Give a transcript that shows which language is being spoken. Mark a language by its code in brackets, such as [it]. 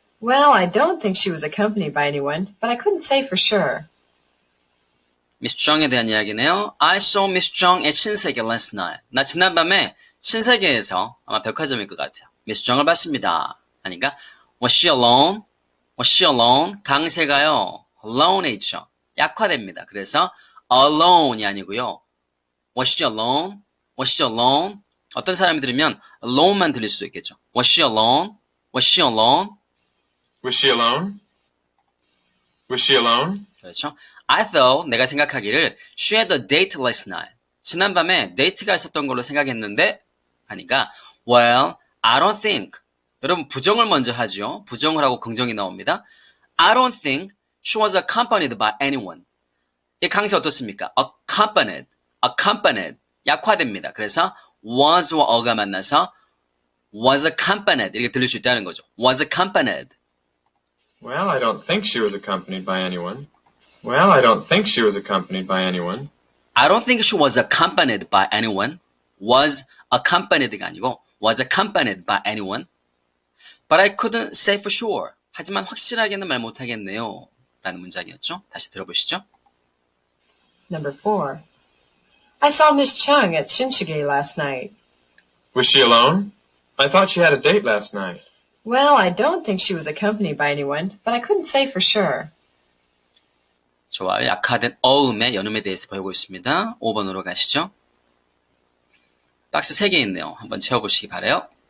[en] Well, I don't think she was accompanied by anyone, but I couldn't say for sure. [ko] Miss Chung에 대한 이야기네요. [en] I saw Miss Chung at Shinchige last night. [ko] 나 지난밤에 신세계에서 아마 백화점일 것 같아요. Miss Chung을 봤습니다. 아니까 [en] Was she alone? Was she alone? [ko] 강세가요. Alone에 있죠. 약화됩니다. 그래서 alone이 아니고요. [en] Was she alone? Was she alone? [ko] 어떤 사람이 들으면 alone만 들릴 수도 있겠죠. [en] Was she alone? Was she alone? Was she alone? Was she alone? [ko] 그렇죠? [en] I thought, [ko] 내가 생각하기를, [en] she had a date last night. [ko] 지난밤에 데이트가 있었던 걸로 생각했는데, 하니까, [en] well, I don't think. [ko] 여러분, 부정을 먼저 하죠. 부정을 하고 긍정이 나옵니다. [en] I don't think she was accompanied by anyone. [ko] 이 강세 어떻습니까? [en] Accompanied, accompanied. [ko] 약화됩니다. 그래서 was와 어가 만나서 [en] was accompanied [ko] 이렇게 들릴 수 있다는 거죠. was accompanied. [en] Well, I don't think she was accompanied by anyone. Well, I don't think she was accompanied by anyone. I don't think she was accompanied by anyone. Was accompanied가 아니고 was accompanied by anyone. But I couldn't say for sure. [ko] 하지만 확실하게는 말 못하겠네요. 라는 문장이었죠. 다시 들어보시죠. [en] Number four. I saw Miss Chung at Shinchige last night. Was she alone? I thought she had a date last night. Well, I don't think she was accompanied by anyone, but I couldn't say for sure. [ko] 좋아요. 약화된 어음의 연음에 대해서 배우고 있습니다. 5번으로 가시죠. 박스 3개 있네요. 한번 채워보시기 바래요.